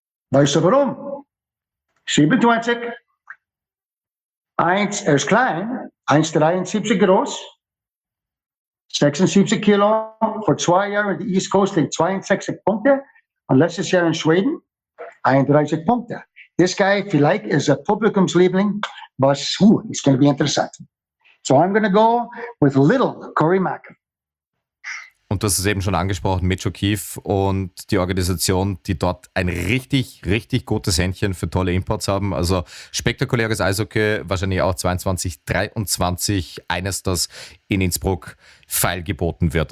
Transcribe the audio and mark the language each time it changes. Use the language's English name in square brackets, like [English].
[German] Weißt du warum? 27. Eins, er ist klein. 1,73 groß. 76 Kilo. Vor 2 Jahren in der East Coast in 62 Punkte. Und letztes Jahr in Schweden 31 Punkte. [English] This guy [German] vielleicht ist ein Publikumsliebling. [English] Was, it's going to be interessant. So I'm going to go with little Corey Macken. [German] Und du hast es eben schon angesprochen, Mitch O'Keefe und die Organisation, die dort ein richtig, richtig gutes Händchen für tolle Imports haben. Also spektakuläres Eishockey, wahrscheinlich auch 22, 23, eines, das in Innsbruck feilgeboten wird.